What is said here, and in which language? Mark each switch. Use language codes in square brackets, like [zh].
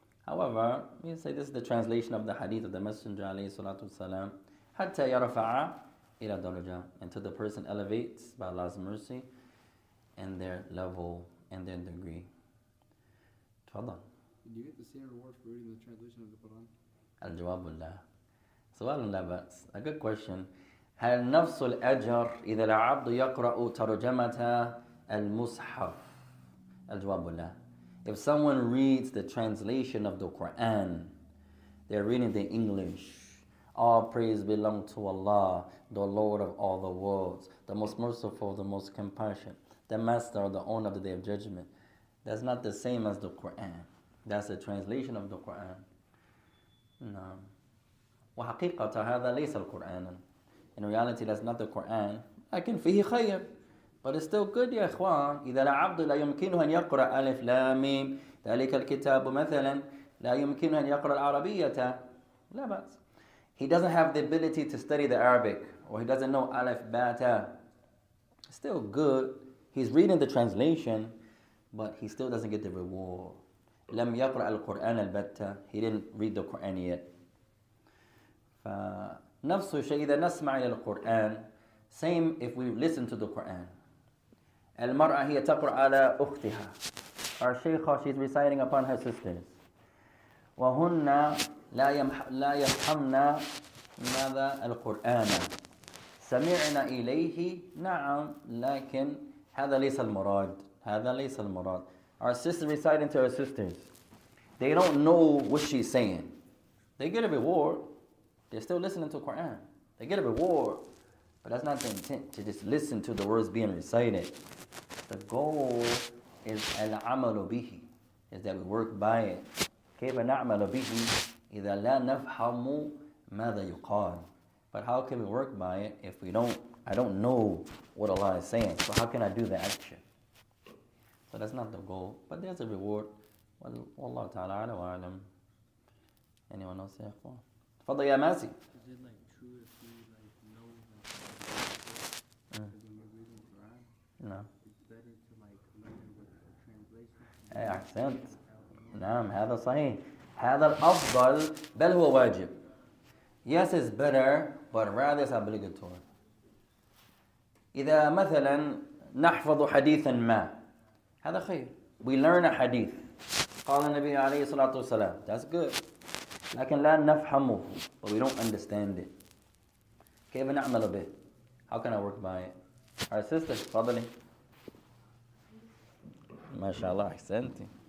[en] However, we say this is the translation of the hadith of the Messenger [ar] عليه الصلاة والسلام حتى يرفع إلى درجة [en] until the person elevates by Allah's mercy and their level and their degree. [ar] تفضل. [en] Did you get the same reward for reading the translation of the Quran? [ar] الجواب لا. سؤال لا بأس. [en] A good question. [ar] هل نفس الأجر إذا العبد يقرأ ترجمة المصحف؟ الجواب لا. [en] If someone reads the translation of the Quran, they're reading the English. All praise belong to Allah, the Lord of all the worlds, the most merciful, the most compassionate, the master, the owner of the day of judgment. That's not the same as the Quran. That's the translation of the Quran. [ar] No. وحقيقة هذا ليس القرآن. [en] In reality, that's not the Quran. [ar] لكن فيه خير. [en] But it's still good, [ar] يا إخوان. إذا العبد لا يمكنه أن يقرأ ألف لام ميم ذلك الكتاب مثلا لا يمكنه أن يقرأ العربية لا بأس. [en] He doesn't have the ability to study the Arabic or he doesn't know ألف باتا. Still good. He's reading the translation but he still doesn't get the reward. [ar] لم يقرأ القرآن البتة. [en] He didn't read the Quran yet. [ar] فنفس الشيء إذا نسمع إلى القرآن [en] same if we listen to the Quran. [ar] المرأة هي تقرأ على أختها. [en] Our Sheikha, she's reciting upon her sisters. [ar] وهن لا يفهمن ماذا القرآن. سمعنا إليه نعم لكن هذا ليس المراد. هذا ليس المراد. [en] Our sisters reciting to her sisters. They don't know what she's saying. They get a reward. They're still listening to Quran. They get a reward. But that's not the intent to just listen to the words being recited. The goal is [ar] العمل به, [en] is that we work by it. [ar] كيف نعمل به إذا لا نفهم ماذا يقال. [en] But how can we work by it if I don't know what Allah is saying? So how can I do the action? So that's not the goal, but there's a reward. [ar] والله تعالى على وعلم. [en] Anyone else here? [ar] تفضل يا ماسي. [en] No. [ar] إيه أحسنت. نعم هذا صحيح. هذا الأفضل بل هو واجب. [en] Yes is better but rather is obligatory. [ar] إذا مثلا نحفظ حديثا ما هذا خير. [en] We learn a hadith. [ar] قال النبي عليه الصلاة والسلام. [en] That's good. [ar] لكن لا نفهمه. [en] But we don't understand it. [ar] كيف نعمل به؟ [en] How can I work by it? Our sister, تفضلي. [ar] ما شاء الله أحسنتي.